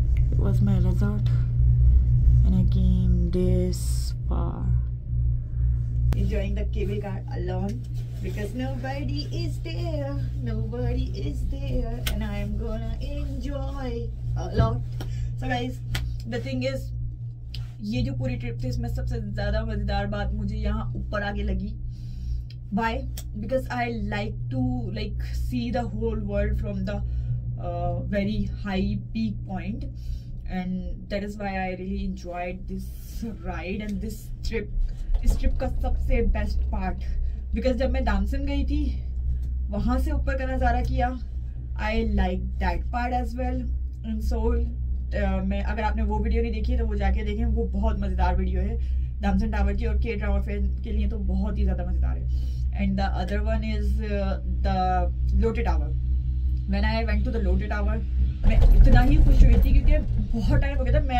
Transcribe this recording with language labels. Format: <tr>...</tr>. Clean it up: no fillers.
<en>It was my resort, and I came this far. Enjoying the cable car alone, because nobody is there, and I am gonna enjoy a lot. So guys, the thing is,</en> <hi>ये जो पूरी trip थी, इसमें सबसे ज़्यादा मज़ेदार बात मुझे यहाँ ऊपर आगे लगी.</hi> <en>Why? Because I like to see the whole world from the very high peak point. and that is why I really enjoyed this ride and this trip. This trip</en> <hi>ka sabse</hi> <en>best part, because</en> <hi>jab main Damsun gayi thi, wahan se upar ka nazara kiya.</hi> <en>I like that part as well in Seoul.</en> <hi>मैं अगर आपने वो video नहीं देखी तो वो जाके देखें, वो बहुत मजेदार वीडियो है डामसन टावर की, और के ड्रामा फैन के लिए तो बहुत ही ज्यादा मजेदार है.</hi> <en>And the other one is the Lotte Tower. When I went to the Lotte Tower</en> <hi>मैं इतना ही खुश हुई थी, क्योंकि बहुत टाइम हो गया था.</hi>